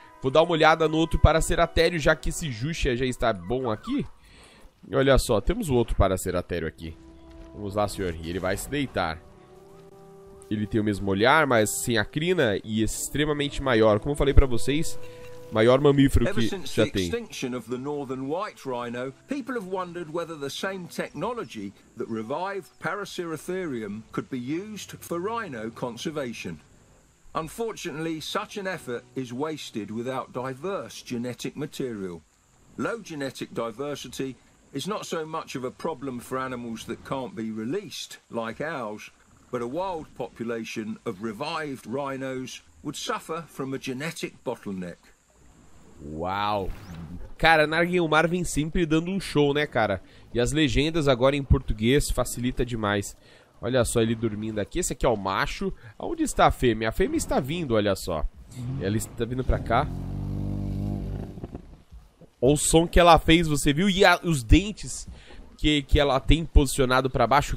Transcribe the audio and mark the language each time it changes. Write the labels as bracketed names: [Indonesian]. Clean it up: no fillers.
[Portuguese] Vou dar uma olhada no outro Paraceratério, já que esse Juxia já está bom aqui. E olha só, temos o outro Paraceratério aqui. Vamos lá, senhor. E ele vai se deitar. Ele tem o mesmo olhar, mas sem a crina e extremamente maior. Como eu falei pra vocês... Maior mamífero que já tem. [English] Ever since the extinction of the northern white rhino, people have wondered whether the same technology that revived Paraceratherium could be used for rhino conservation. Unfortunately, such an effort is wasted without diverse genetic material. Low genetic diversity is not so much of a problem for animals that can't be released, like ours, but a wild population of revived rhinos would suffer from a genetic bottleneck. [Portuguese] Uau! Cara, Nigel Marvin sempre dando um show, né, cara? E as legendas agora em português facilita demais. Olha só ele dormindo aqui. Esse aqui é o macho. Onde está a fêmea? A fêmea está vindo, olha só. Ela está vindo pra cá. Olha o som que ela fez, você viu? E os dentes que ela tem posicionado pra baixo.